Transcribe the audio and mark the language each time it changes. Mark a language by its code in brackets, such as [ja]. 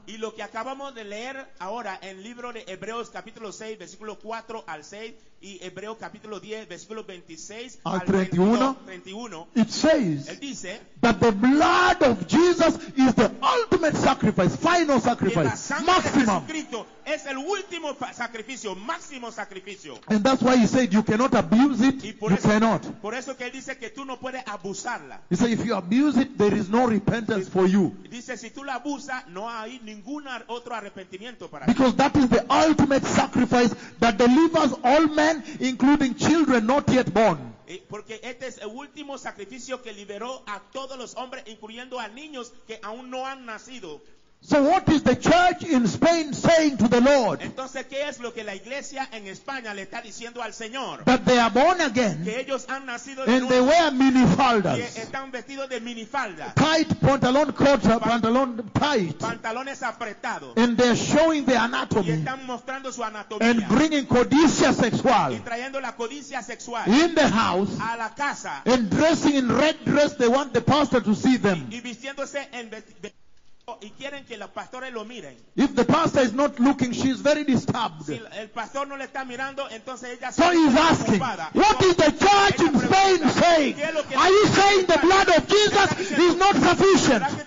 [es] Y lo que acabamos de leer ahora en libro de Hebreos capítulo 6, versículo 4 al 6, y Hebreos capítulo 10, versículo 26 al 31, 31, [en] it says, [es] él dice, [en] that the blood of Jesus is the ultimate sacrifice, final sacrifice, maximum. [es] Es el último sacrificio, máximo sacrificio. [en] And that's why he said you cannot abuse it, you cannot. [es] Por eso que él dice que tú no puedes abusarla. [en] He said if you abuse it, there is no repentance for you. [es] Dice si tú la abusas, no hay ningún otro arrepentimiento para ti. [en] Because that is the ultimate sacrifice that delivers all men, including children not yet born. [es] Porque este es el último sacrificio que liberó a todos los hombres, incluyendo a niños que aún no han nacido. [en] So what is the church in Spain saying to the Lord? [es] Entonces, ¿qué es lo que la iglesia en España le está diciendo al Señor? [en] That they are born again. [es] Que ellos han nacido de nuevo. [en] And they wear minifaldas. [es] Que están vestidos de minifalda. Tight pantalón corto, pantalón tight. Pantalones apretados. [en] And they're showing their anatomy. [es] Y están mostrando su anatomía. [en] And bringing [es] codicia sexual. Y trayendo la codicia sexual. [en] In the house. [es] A la casa. [en] And dressing in red dress, they want the pastor to see them. [es] Y vistiéndose en y quieren que los pastores lo miren. [en] If the pastor is not looking, she is very disturbed. [es] Si el pastor no le está mirando, entonces ella [en] so he is asking, ocupada. What is the church in Spain saying? Are you saying the blood of Jesus is not sufficient?